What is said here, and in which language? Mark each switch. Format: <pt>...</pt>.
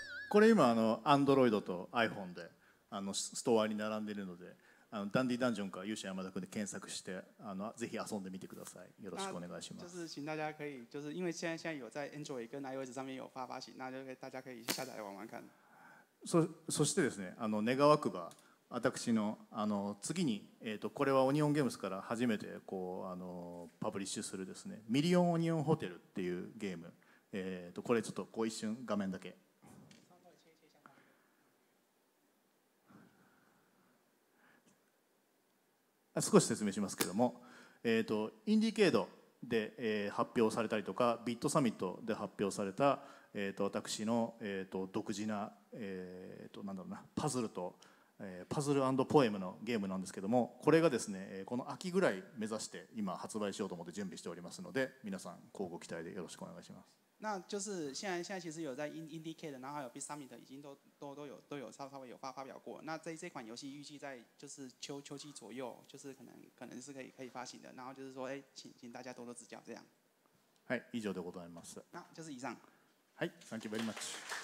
<ja>これ今あの Android と iPhone であのストアに並んでいるので、あのダンディダンジョンか勇者山田君で検索してあのぜひ遊んでみてください。よろしくお願いします。</ja> <zh>就是请大家可以就是因为现在有在 Android 跟 iOS 上面有发发行，那就大家可以下载玩玩看。</zh> <ja>そしてですね、あの願わくば私 の, あの次に、これはオニオンゲームズから初めてこうあのパブリッシュするですね、ミリオンオニオンホテルっていうゲーム、これちょっとこう一瞬画面だけ、少し説明しますけども、インディケードで、発表されたりとかビットサミットで発表された、私の、独自な、なんだろうな、パズルと、パズル&ポエムのゲームなんですけども、これがですね、この秋ぐらい目指して今発売しようと思って準備しておりますので、皆さん乞うご期待でよろしくお願いします。</ja> <zh>那就是现在其实有在 Indiecade， 然后还有 Bitsummit， 已经都有稍微有发表过。那这款游戏预计在就是秋季左右，就是可能是可以发行的。然后就是说，请大家多多指教，这样。</zh> <ja>はい、以上でございます。</ja> <zh>那就是以上。</zh> <en>はい、Thank you very much。</en>